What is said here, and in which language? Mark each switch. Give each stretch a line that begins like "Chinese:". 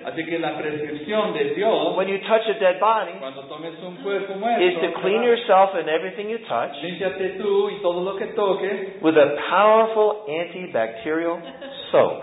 Spanish: así que la prescripción de Dios,
English: when you touch a dead body,
Spanish: cuando tomes un cuerpo muerto,
English: is to clean yourself and everything you touch,
Spanish: límpiate tú y todo lo que toques,
English: with a powerful antibacterial soap.